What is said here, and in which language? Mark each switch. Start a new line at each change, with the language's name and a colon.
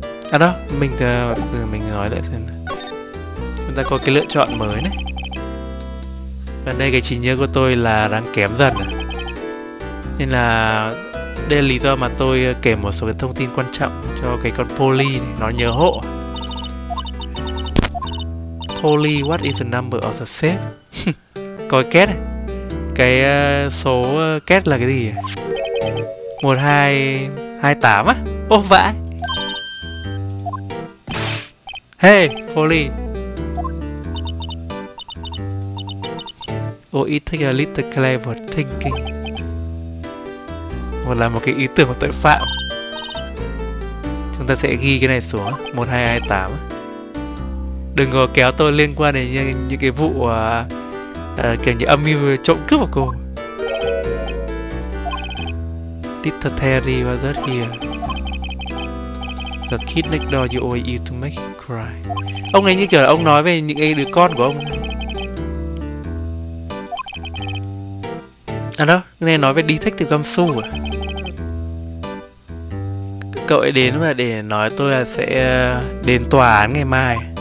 Vietnamese: À đó, mình nói lại xem. Chúng ta có cái lựa chọn mới này. Gần đây cái trí nhớ của tôi là đang kém dần à. Nên là đây là lý do mà tôi kể một số cái thông tin quan trọng cho cái con Polly này, nó nhớ hộ.
English: Polly, what is the number of the safe?
Vietnamese: Coi két này. Cái số két là cái gì? 1228 á. Ô vãi.
English: Hey, Polly. Oh, it takes a little clever thinking.
Vietnamese: Hoặc là một cái ý tưởng của tội phạm. Chúng ta sẽ ghi cái này xuống, 1228. Đừng có kéo tôi liên quan đến những cái vụ kiểu như âm mưu trộm cướp của cô.
English: Little Terry was not here. The kid next door you always used to make him cry.
Vietnamese: Ông ấy như kiểu là ông nói về những cái đứa con của ông. À đó, nghe nói về Detective Gumshoe à. Cậu ấy đến và để nói tôi là sẽ đến tòa án ngày mai.